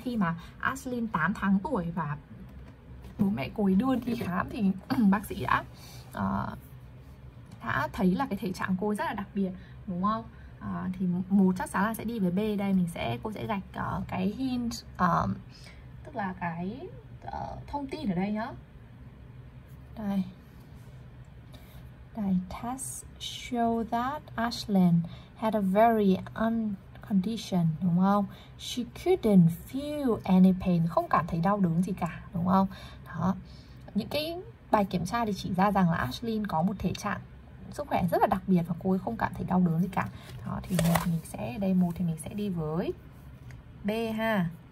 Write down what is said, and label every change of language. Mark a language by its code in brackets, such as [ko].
[vi] Khi mà Ashlyn 8 tháng tuổi và bố mẹ cô ấy đưa đi khám thì bác sĩ đã thấy là cái thể trạng cô ấy rất là đặc biệt, đúng không? Thì một chắc chắn là sẽ đi với B đây. Cô sẽ gạch cái hint, tức là cái thông tin ở đây nhá. Đây, [en] tests show that Ashlyn had a very condition, [vi] đúng không? [en] She couldn't feel any pain, [vi] không cảm thấy đau đớn gì cả, đúng không? Đó. Những cái bài kiểm tra thì chỉ ra rằng là Ashlyn có một thể trạng sức khỏe rất là đặc biệt và cô ấy không cảm thấy đau đớn gì cả. Đó, thì mình sẽ đi với B ha.